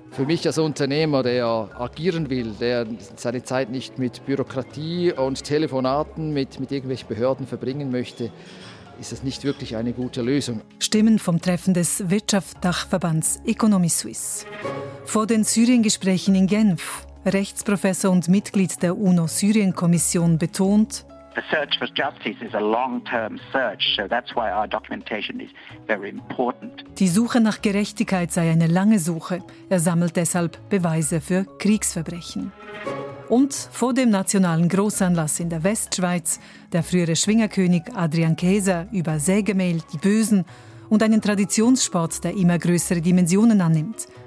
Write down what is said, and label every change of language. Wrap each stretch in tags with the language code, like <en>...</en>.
<de>Für mich als Unternehmer, der agieren will, der seine Zeit nicht mit Bürokratie und Telefonaten mit irgendwelchen Behörden verbringen möchte, ist das nicht wirklich eine gute Lösung. Stimmen vom Treffen des Wirtschaftsdachverbands Economie Suisse. Vor den Syriengesprächen in Genf, Rechtsprofessor und Mitglied der UNO-Syrien-Kommission betont,</de> <en>the search for justice is a long-term search, so that's why our documentation is very important.</en> <de>Die Suche nach Gerechtigkeit sei eine lange Suche. Er sammelt deshalb Beweise für Kriegsverbrechen. Und vor dem nationalen Großanlass in der Westschweiz, der frühere Schwingerkönig Adrian Käser über Sägemehl, die Bösen und einen Traditionssport, der immer größere Dimensionen annimmt.</de>